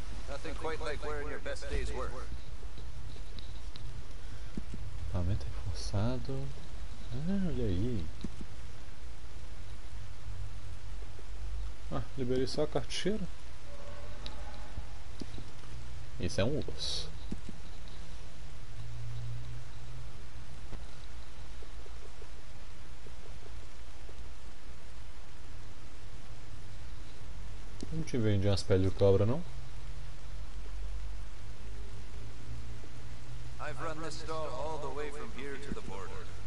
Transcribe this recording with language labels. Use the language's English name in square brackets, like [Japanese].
[English] Nothing quite like wearing your best day's work. [Portuguese] Equipamento reforçado. Ah, olha aí. Ah, liberei só a carteira. Isso é um urso. Te vende umas peles de cobra, não? [English] I've run this stall all the way from here to the border.